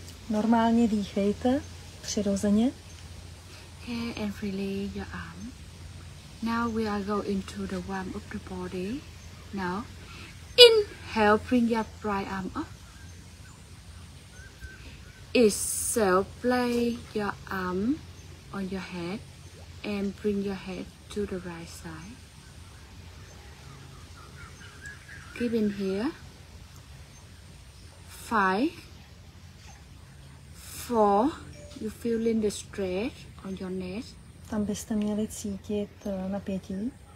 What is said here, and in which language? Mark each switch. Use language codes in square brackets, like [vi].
[cs] Normálně dýchejte, přirozeně. [en] Okay, and release your arm. Now we are going to the warm up the body. Now, inhale, bring your right arm up. Exhale, place your arm on your head and bring your head to the right side. Keep in here. 5, 4, you feeling the stretch on your neck. [cs] Tam byste měli cítit napětí.